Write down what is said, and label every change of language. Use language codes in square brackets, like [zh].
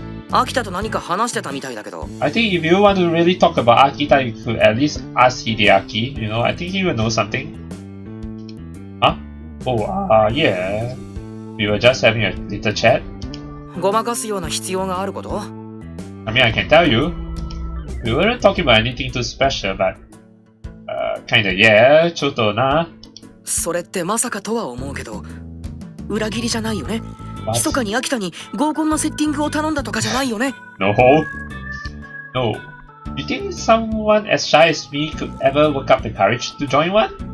[ja] アキタと何か話してたみたいだけど。 [en] I think if you want to really talk about Akita, you could at least ask Hideaki. You know, I think he will know something. Huh? Yeah. We were just having a little chat. [ja] ごまかすような必要があること? [en] I mean, I can tell you. We weren't talking about anything too special, but... kinda, yeah, [ja] ちょっとな。それってまさかとは思うけど、裏切りじゃないよね。密かに秋田に合コンのセッティングを頼んだとかじゃないよね。 [en] No. No. You think someone as shy as me could ever work up the courage to join one?